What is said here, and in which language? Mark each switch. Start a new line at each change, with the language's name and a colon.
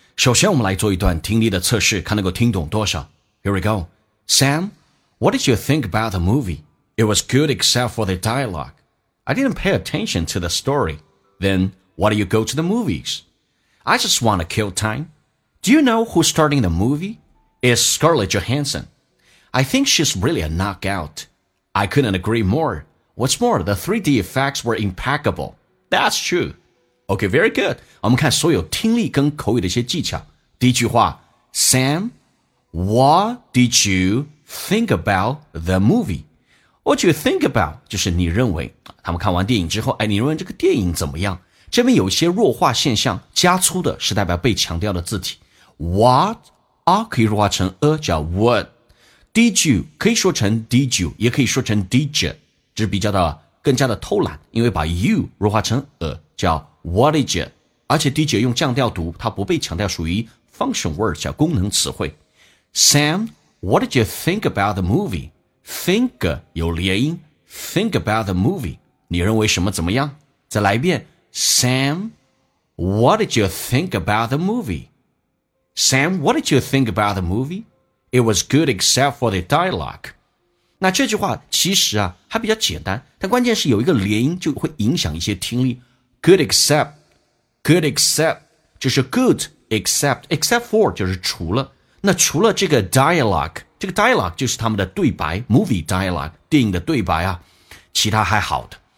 Chinese: 首先我们来做一段听力的测试，看能够听懂多少。
English: Here we go. Sam, what did you think about the movie? It was good except for the dialogue. I didn't pay attention to the story. Then, why do you go to the movies? I just want to kill time. Do you know who's starting the movie? It's Scarlett Johansson. I think she's really a knockout. I couldn't agree more. What's more, the 3D effects were impeccable. That's true. Okay, very good.
Chinese: 我们看所有听力跟口语的一些技巧。第一句话
English: ,Sam, what did you think about the movie? What did you think about?
Chinese: 就是你认为他们看完电影之后，哎，你认为这个电影怎么样？这边有一些弱化现象，加粗的是代表被强调的字体。 What, 啊，可以弱化成a，叫 what. Did you, 可以说成 did you, 也可以说成 did you, 这是比较的更加的偷懒，因为把 you 弱化成叫
English: what is it，
Chinese: 而且 did you 用降调读，它不被强调，属于
English: function word，
Chinese: 叫功能词汇。
English: Sam, what did you think about the movie? Think
Chinese: 有连音，
English: think about the movie，
Chinese: 你认为什么怎么样？再来一遍，
English: Sam, what did you think about the movie? Sam, what did you think about the movie? It was good except for the dialogue.
Chinese: 那这句话其实啊还比较简单，但关键是有一个连音就会影响一些听力。
English: Good except
Chinese: 就是
English: good except for
Chinese: 就是除了。那除了这个 dialogue， 这个 dialogue 就是他们的对白
English: movie dialogue，
Chinese: 电影的对白啊，其他还好的。